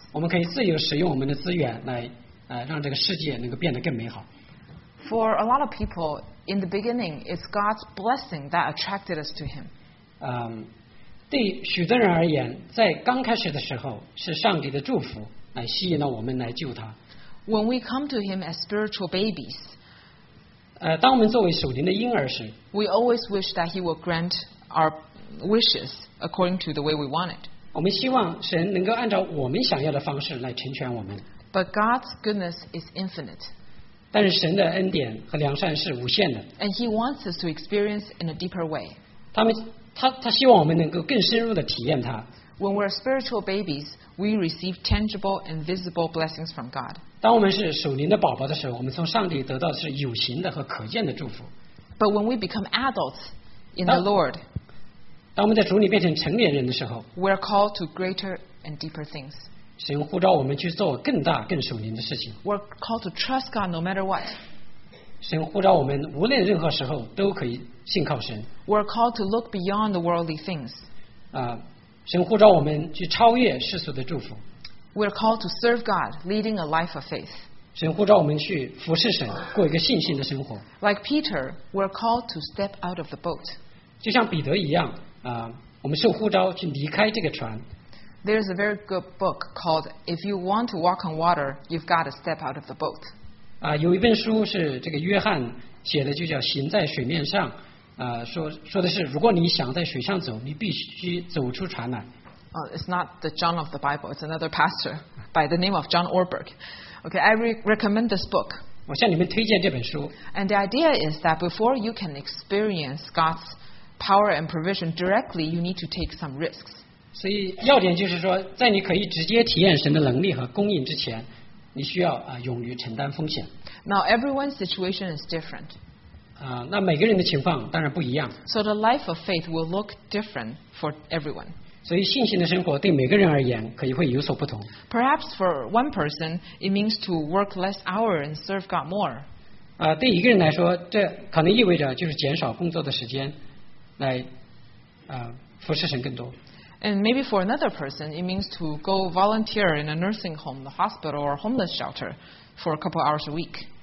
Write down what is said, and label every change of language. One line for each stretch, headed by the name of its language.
Chinese: 我们可以自由使用我们的资源来让这个世界能够变得更美好。
English: For a lot of people, in the beginning, it's God's blessing that attracted us to Him.
Chinese: 对许多人而言，在刚开始的时候是上帝的祝福。来吸引了我们来救他。
English: When we come to him as spiritual babies,
Chinese: 当我们作为属灵的婴儿时
English: ，we always wish that he will grant our wishes according to the way we want it.
Chinese: 我们希望神能够按照我们想要的方式来成全我们。
English: But God's goodness is infinite.
Chinese: 但是神的恩典和良善是无限的。
English: And he wants us to experience in a deeper way.
Chinese: 他希望我们能够更深入地体验他。
English: When we're spiritual babies, we receive tangible and visible blessings from God.
Chinese: 当我们是属灵的宝宝的时候，我们从上帝得到的是有形的和可见的祝福。
English: But when we become adults in the Lord,
Chinese: 当我们在主里变成成年人的时候
English: ，we're called to greater and deeper things.
Chinese: 神呼召我们去做更大、更属灵的事情。
English: We're called to trust God no matter what.
Chinese: 神呼召我们无论任何时候都可以信靠神。
English: We're called to look beyond the worldly things.
Chinese: 神呼召我们去超越世俗的祝福。
English: We're called to serve God, leading a life of faith.
Chinese: 神呼召我们去服侍神，过一个信心的生活。
English: Like Peter, we're called to step out of the boat.
Chinese: 就像彼得一样，我们受呼召去离开这个船。
English: There's a very good book called If You Want to Walk on Water, You've Got to Step Out of the Boat.
Chinese: 有一本书是这个约翰写的，就叫《行在水面上》。说的是，如果你想在水上走，你必须走出船来。
English: It's not the John of the Bible. It's another pastor by the name of John Orberg. Okay, I recommend this book.
Chinese: 我向你们推荐这本书。
English: And the idea is that before you can experience God's power and provision directly, you need to take some risks.
Chinese: 所以要点就是说，在你可以直接体验神的能力和供应之前，你需要勇于承担风险。
English: Now everyone's situation is different.
Chinese: 那每个人的情况当然不一样。
English: So the life of faith will look different for everyone.
Chinese: 所以信心的生活对每个人而言可以会有所不同。
English: Perhaps for one person, it means to work less hours and serve God more.
Chinese: 对一个人来说，这可能意味着就是减少工作的时间。来服侍神更多。
English: And maybe for another person, it means to go volunteer in a nursing home, the hospital, or homeless shelter for a couple hours a week.